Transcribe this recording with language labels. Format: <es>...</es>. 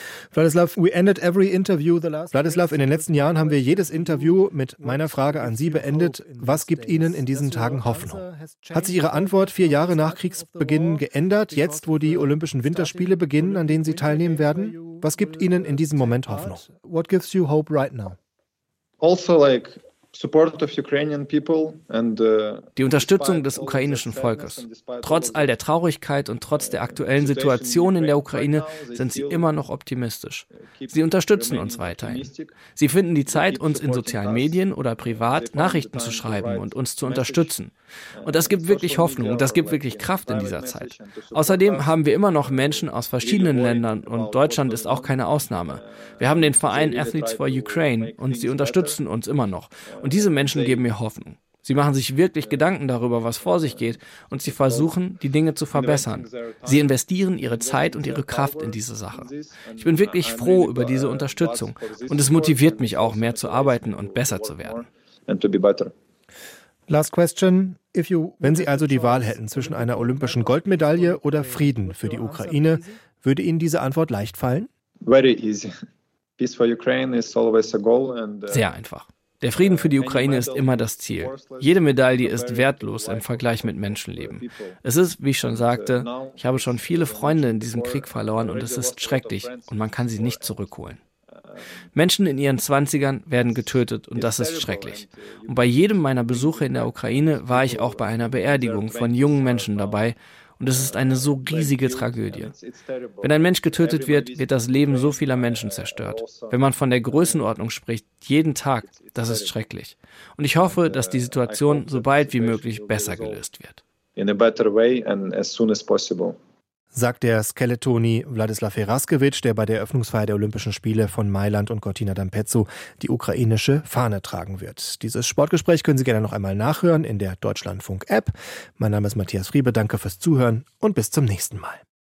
<de>Vladislav, in den letzten Jahren haben wir jedes Interview mit meiner Frage an Sie beendet. Was gibt Ihnen in diesen Tagen Hoffnung? Hat sich Ihre Antwort 4 Jahre nach Kriegsbeginn geändert, jetzt wo die Olympischen Winterspiele beginnen, an denen Sie teilnehmen werden? Was gibt Ihnen in diesem Moment Hoffnung?</de> <en>What gives you hope right now? Also like support of Ukrainian people and</en> <de>die Unterstützung des ukrainischen Volkes. Trotz all der Traurigkeit und trotz der aktuellen Situation in der Ukraine sind sie immer noch optimistisch. Sie unterstützen uns weiterhin. Sie finden die Zeit, uns in sozialen Medien oder privat Nachrichten zu schreiben und uns zu unterstützen. Und das gibt wirklich Hoffnung und das gibt wirklich Kraft in dieser Zeit. Außerdem haben wir immer noch Menschen aus verschiedenen Ländern und Deutschland ist auch keine Ausnahme. Wir haben den Verein Athletes for Ukraine und sie unterstützen uns immer noch. Und diese Menschen geben mir Hoffnung. Sie machen sich wirklich Gedanken darüber, was vor sich geht, und sie versuchen, die Dinge zu verbessern. Sie investieren ihre Zeit und ihre Kraft in diese Sache. Ich bin wirklich froh über diese Unterstützung und es motiviert mich auch, mehr zu arbeiten und besser zu werden.</de> <en>Last question.</en> <de>Wenn Sie also die Wahl hätten zwischen einer olympischen Goldmedaille oder Frieden für die Ukraine, würde Ihnen diese Antwort leicht fallen?</de> <en>Very easy. Peace for Ukraine is always a goal.</en> <de>Sehr einfach. Der Frieden für die Ukraine ist immer das Ziel. Jede Medaille ist wertlos im Vergleich mit Menschenleben. Es ist, wie ich schon sagte, ich habe schon viele Freunde in diesem Krieg verloren und es ist schrecklich und man kann sie nicht zurückholen. Menschen in ihren 20ern werden getötet und das ist schrecklich. Und bei jedem meiner Besuche in der Ukraine war ich auch bei einer Beerdigung von jungen Menschen dabei. Und es ist eine so riesige Tragödie. Wenn ein Mensch getötet wird, wird das Leben so vieler Menschen zerstört. Wenn man von der Größenordnung spricht, jeden Tag, das ist schrecklich. Und ich hoffe, dass die Situation so bald wie möglich besser gelöst wird.</de> <en>In a better way and as soon as possible.</en> <de>Sagt der Skeletoni Vladislav Heraskevich, der bei der Eröffnungsfeier der Olympischen Spiele von Mailand und Cortina d'Ampezzo die ukrainische Fahne tragen wird. Dieses Sportgespräch können Sie gerne noch einmal nachhören in der Deutschlandfunk-App. Mein Name ist Matthias Friebe, danke fürs Zuhören und bis zum nächsten Mal.</de>